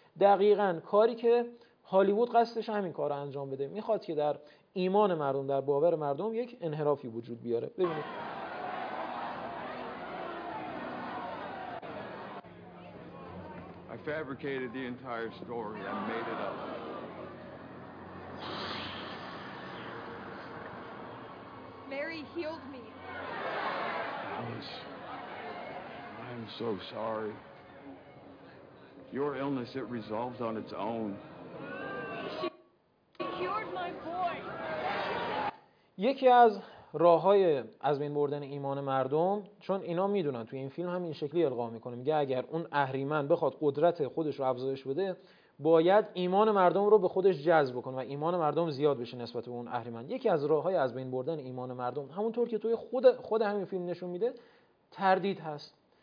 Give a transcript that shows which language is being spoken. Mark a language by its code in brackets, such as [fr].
[fa] دقیقاً کاری که هالیوود قصدش همین کارو انجام بده، میخواد که در ایمان مردم، در باور مردم یک انحرافی وجود بیاره. [en] ببینید I fabricated the entire story and made it up. Mary healed me. Alice, I am so sorry. Your illness, it resolved on its own. She cured my boy. [fa] یکی از راه‌های از بین بردن ایمان مردم، چون اینا میدونن توی این فیلم هم این شکلی القا میکنه، میگه اگر اون اهریمن بخواد قدرت خودش رو افزایش بده، باید ایمان مردم رو به خودش جذب کنه و ایمان مردم زیاد بشه نسبت به اون اهریمن. یکی از راه‌های از بین بردن ایمان مردم، همونطور که توی خود همین فیلم نشون میده، تردید هست.